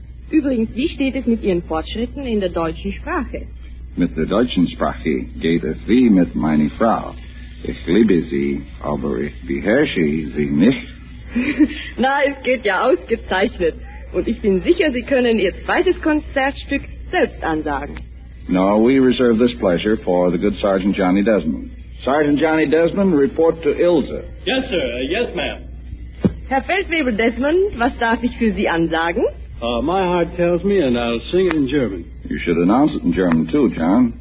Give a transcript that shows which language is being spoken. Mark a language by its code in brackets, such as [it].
[de] Übrigens, wie steht es mit Ihren Fortschritten in der deutschen Sprache? Mit der deutschen Sprache geht es wie mit meiner Frau. Ich liebe sie, aber ich beherrsche sie nicht. Na, es geht ja ausgezeichnet. Und ich bin sicher, Sie können Ihr zweites Konzertstück selbst ansagen. [en] No, we reserve this pleasure for the good Sergeant Johnny Desmond. Sergeant Johnny Desmond, report to Ilse. Yes, sir. Yes, ma'am. [de] Herr Feldwebel Desmond, was darf ich für Sie ansagen? [en] My heart tells me, and I'll sing it in German. You should announce it in German, too, John.